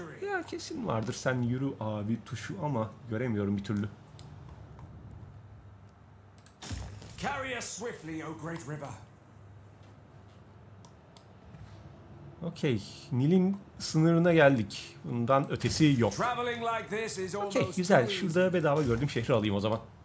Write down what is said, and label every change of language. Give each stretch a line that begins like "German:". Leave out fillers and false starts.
Turkish: Ya kesin vardır, sen yürü abi tuşu ama göremiyorum bir türlü.
English: Carry us swiftly, O Great River.
Turkish: Okey, Nil'in sınırına geldik. Bundan ötesi yok. Okey, güzel. Şurada bedava gördüğüm şehri alayım o zaman.